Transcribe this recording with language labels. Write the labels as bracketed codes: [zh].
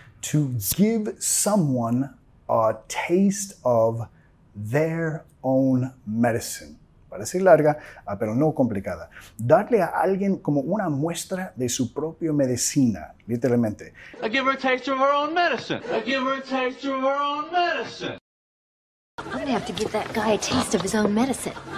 [en] To give someone a taste of their own medicine. [es] Parece larga, pero no complicada. Darle a alguien como una muestra de su propia medicina, literalmente. [en] I give her a taste of her own medicine. I give her a taste of her own medicine. I'm gonna have to give that guy a taste of his own medicine.